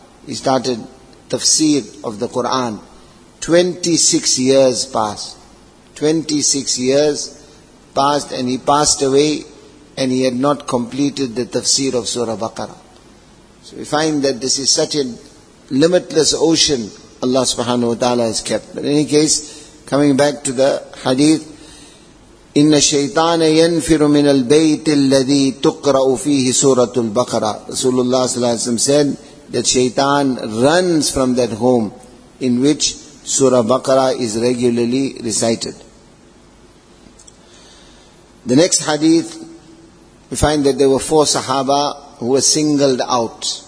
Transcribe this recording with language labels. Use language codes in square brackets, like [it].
[en] He started tafsir of the Quran. 26 years passed. 26 years passed and he passed away and he had not completed the tafsir of Surah Baqarah. So we find that this is such a limitless ocean Allah subhanahu wa ta'ala has kept. But in any case, coming back to the hadith, [ar] إِنَّ الشَّيْطَانَ يَنْفِرُ مِنَ الْبَيْتِ الَّذِي تُقْرَأُ فِيهِ سُورَةُ الْبَقَرَةِ. [en] Rasulullah sallallahu alayhi wa sallam said that shaitan runs from that home in which Surah Baqarah is regularly recited. The next hadith, we find that there were four sahaba who were singled out.